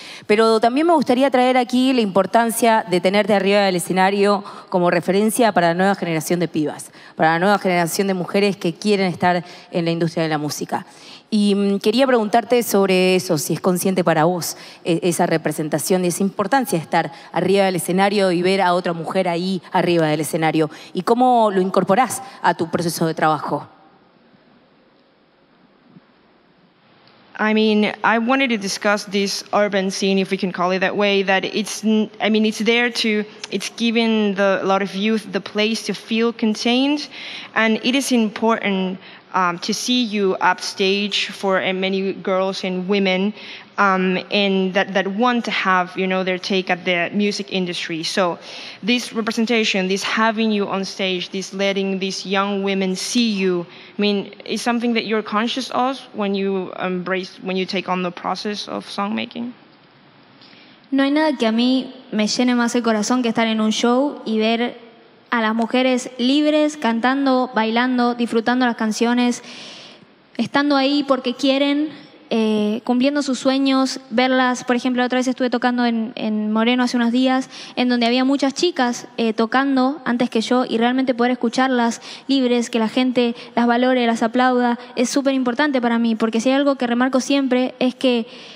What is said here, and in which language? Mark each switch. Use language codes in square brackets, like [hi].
[es] Pero también me gustaría traer aquí la importancia de tenerte arriba del escenario como referencia para la nueva generación de pibas, para la nueva generación de mujeres que quieren estar en la industria de la música. Y quería preguntarte sobre eso, si es consciente para vos esa representación y esa importancia de estar arriba del escenario y ver a otra mujer ahí arriba del escenario. ¿Y cómo lo incorporás a tu proceso de trabajo? [en] I mean, I wanted to discuss this urban scene, if we can call it that way, that it's given a lot of youth the place to feel contained, and it is important to see you upstage for many girls and women and that want to have, you know, their take at the music industry. So this representation, this having you on stage, this letting these young women see you, I mean, is something that you're conscious of when you embrace, when you take on the process of songmaking? [es] No hay nada que a mí me llene más el corazón que estar en un show y ver a las mujeres libres, cantando, bailando, disfrutando las canciones, estando ahí porque quieren, cumpliendo sus sueños, verlas, por ejemplo, otra vez estuve tocando en Moreno hace unos días, en donde había muchas chicas tocando antes que yo, y realmente poder escucharlas libres, que la gente las valore, las aplauda, es súper importante para mí, porque si hay algo que remarco siempre es que